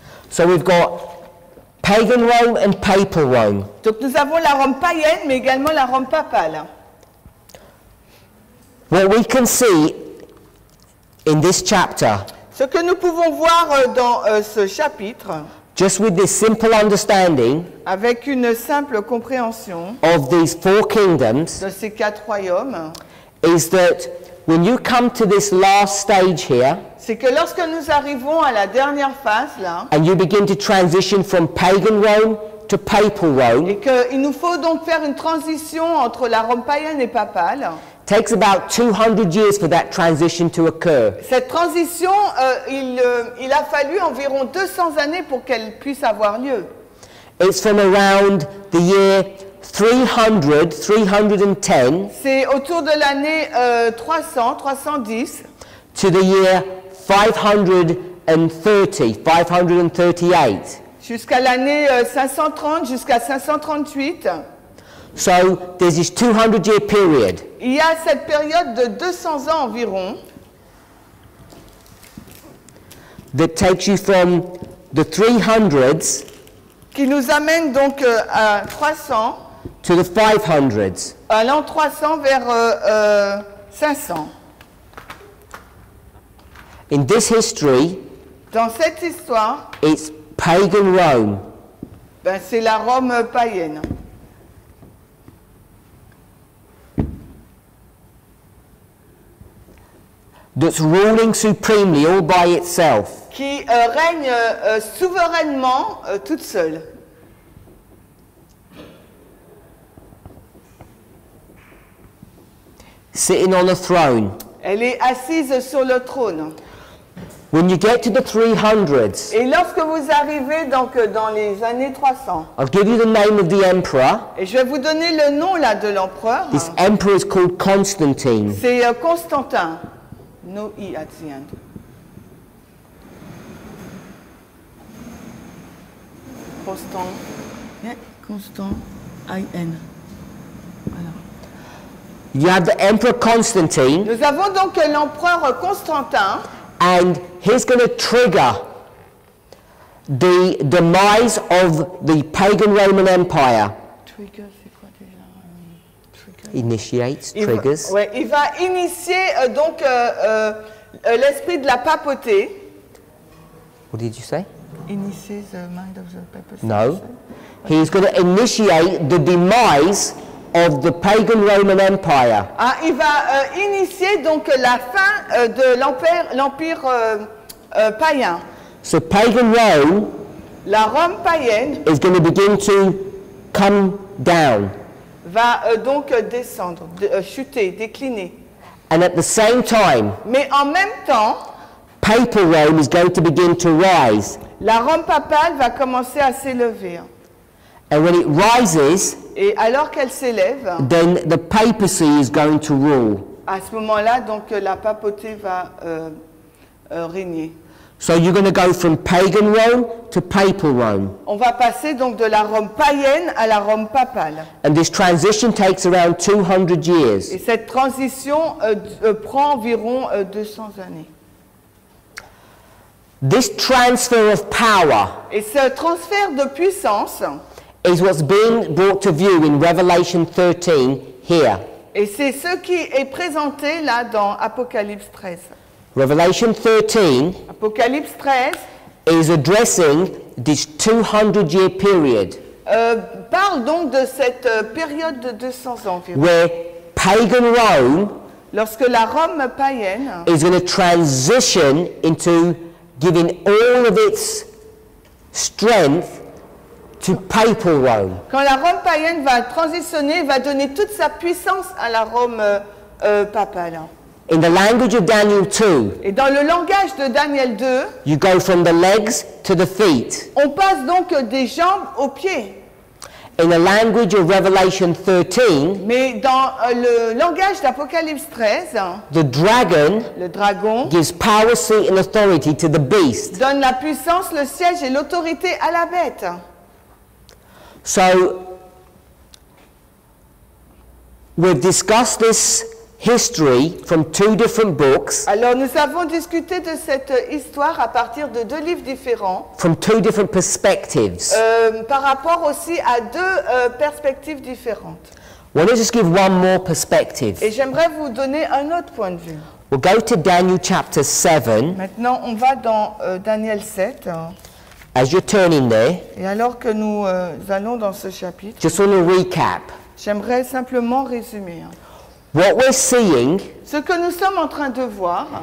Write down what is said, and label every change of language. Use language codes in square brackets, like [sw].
[en] So we've got pagan Rome and papal Rome. [fr] Donc nous avons la Rome païenne mais également la Rome papale. [en] What we can see in this chapter. [fr] Ce que nous pouvons voir dans ce chapitre. [en] Just with this simple understanding. [fr] Avec une simple compréhension. [en] Of these four kingdoms. [fr] De ces quatre royaumes. [en] Is that when you come to this last stage here. [fr] C'est que lorsque nous arrivons à la dernière phase là. [en] And you begin to transition from pagan Rome to papal Rome. [fr] Et que il nous faut donc faire une transition entre la Rome païenne et papale. [en] Takes about 200 years for that transition to occur. [fr] Cette transition, il a fallu environ 200 années pour qu'elle puisse avoir lieu. [en] It's from around the year 300-310. [fr] C'est autour de l'année 300-310. [en] To the year 530-538. [fr] Jusqu'à l'année 530, jusqu'à 538. [en] So there's this 200-year period. [fr] Il y a cette période de 200 ans environ. [en] That takes you from the 300s. [fr] Qui nous amène donc à 300. [en] To the 500s. [fr] Allant 300 vers 500. [en] In this history. [fr] Dans cette histoire. [en] It's pagan Rome. [fr] Ben c'est la Rome païenne. [en] That's ruling supremely all by itself. [fr] Qui règne souverainement toute seule. [en] Sitting on a throne. [fr] Elle est assise sur le trône. [en] When you get to the 300s. [fr] Et lorsque vous arrivez donc dans les années 300. [en] I'll give you the name of the emperor. [fr] Et je vais vous donner le nom là de l'empereur. [en] This emperor is called Constantine. [fr] C'est Constantin. [en] No E at the end. Constant. Constant. I-N. You have the Emperor Constantine. [fr] Nous avons donc l'Empereur Constantin. [en] And he's going to trigger the demise of the pagan Roman Empire. Trigger. Initiates, triggers. [fr] Il va, ouais, il va initier donc l'esprit de la papauté. [en] What did you say? Initiates the mind of the papacy. No. He is going to initiate the demise of the pagan Roman Empire. [fr] Ah, il va initier donc la fin de l'empire païen. [en] So pagan Rome. [fr] La Rome païenne. [en] Is going to begin to come down. [fr] Va donc descendre, chuter, décliner. [en] And at the same time, [fr] mais en même temps, [en] papal Rome is going to begin to rise. [fr] La Rome papale va commencer à s'élever. [en] And when it rises, [fr] et alors qu'elle s'élève, [en] then the papacy is going to rule. [fr] À ce moment-là, donc la papauté va régner. [en] So you're going to go from pagan Rome to papal Rome. [fr] On va passer donc de la Rome païenne à la Rome papale. [en] And this transition takes around 200 years. [fr] Et cette transition prend environ 200 années. [en] This transfer of power. [fr] Et ce transfert de puissance [en] is what's being brought to view in Revelation 13 here. [fr] Et c'est ce qui est présenté là dans Apocalypse 13. [en] Revelation 13, [fr] Apocalypse 13 [en] is addressing this 200-year period. [fr] Parle donc de cette période de 200 ans environ. [en] Where pagan Rome, [fr] lorsque la Rome païenne, [en] is going to transition into giving all of its strength to papal Rome. [fr] Quand la Rome païenne va transitionner, va donner toute sa puissance à la Rome papale. [en] In the language of Daniel 2. [fr] Et dans le langage de Daniel 2. [en] You go from the legs to the feet. [fr] On passe donc des jambes aux pieds. [en] In the language of Revelation 13. [fr] Mais dans le langage d'Apocalypse 13. [en] The dragon. [fr] Le dragon. [en] Gives power, seat, and authority to the beast. [fr] Donne la puissance, le siège et l'autorité à la bête. [en] So we've discussed this history from two different books. [fr] Alors nous avons discuté de cette histoire à partir de deux livres différents. [en] From two different perspectives. [fr] Par rapport aussi à deux perspectives différentes. [en] Well, let's just give one more perspective. [fr] Et j'aimerais vous donner un autre point de vue. [en] We'll go to Daniel chapter 7. [fr] Maintenant on va dans Daniel 7. [en] As you're turning there. [fr] Et alors que nous allons dans ce chapitre. [en] Just want to recap. [fr] J'aimerais simplement résumer. [en] What we're seeing, [fr] ce que nous sommes en train de voir,